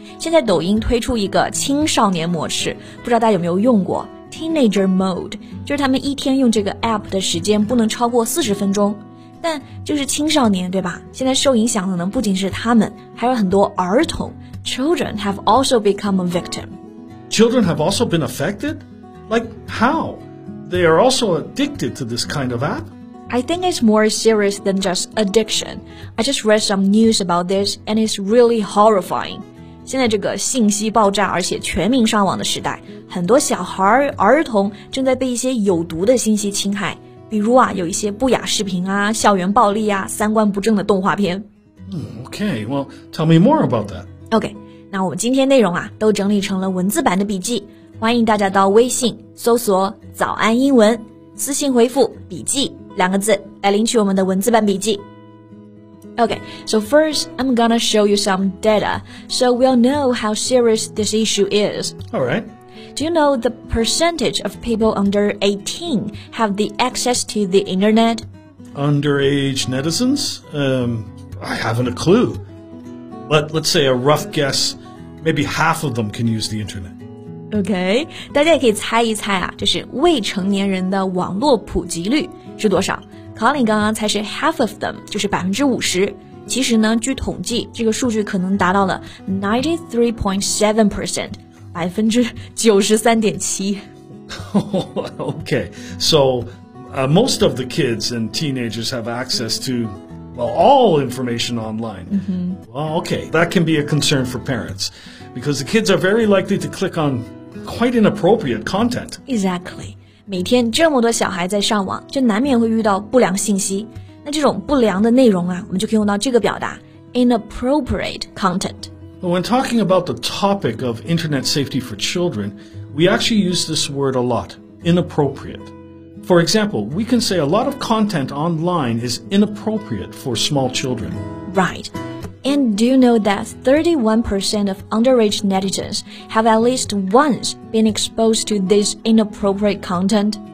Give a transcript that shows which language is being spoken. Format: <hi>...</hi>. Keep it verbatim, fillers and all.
<zh>现在抖音推出一个青少年模式，不知道大家有没有用过 Teenager Mode， 就是他们一天用这个 app 的时间不能超过forty分钟。但就是青少年，对吧？现在受影响的呢不仅是他们，还有很多儿童。</zh> <en>Children have also become a victim. Children have also been affected? Like how? They are also addicted to this kind of app? I think it's more serious than just addiction. I just read some news about this and it's really horrifying.</en> <zh>现在这个信息爆炸而且全民上网的时代，很多小孩儿童正在被一些有毒的信息侵害，比如啊有一些不雅视频啊，校园暴力啊，三观不正的动画片。</zh> <en>Okay, well, tell me more about that.</en> <zh>Okay, 那我们今天内容啊都整理成了文字版的笔记，欢迎大家到微信搜索早安英文，私信回复笔记两个字来领取我们的文字版笔记。</zh> <en>Okay, so first, I'm gonna show you some data, so we'll know how serious this issue is. All right. Do you know the percentage of people under eighteen have the access to the internet? Underage netizens? Um, I haven't a clue. But let's say a rough guess, maybe half of them can use the internet.</en> <zh>Okay, 大家也可以猜一猜啊，就是未成年人的网络普及率是多少？ Colin 刚刚才是</zh> <en>half of them，</en> <zh>就是百分之五十。其实呢，据统计，这个数据可能达到了</zh> <en>ninety-three point seven percent，</en> <zh>百分之九十三点七。</zh> <en>Okay, so、uh, most of the kids and teenagers have access to well all information online.、Mm-hmm. Well, okay, that can be a concern for parents because the kids are very likely to click on quite inappropriate content. Exactly.</en> <zh>每天这么多小孩在上网，就难免会遇到不良信息。那这种不良的内容啊，我们就可以用到这个表达 inappropriate content.</zh> <en>When talking about the topic of internet safety for children, We actually use this word a lot, inappropriate. For example, we can say a lot of content online is inappropriate for small children. Right. And do you know that thirty-one percent of underage netizens have at least once been exposed to this inappropriate content?</en>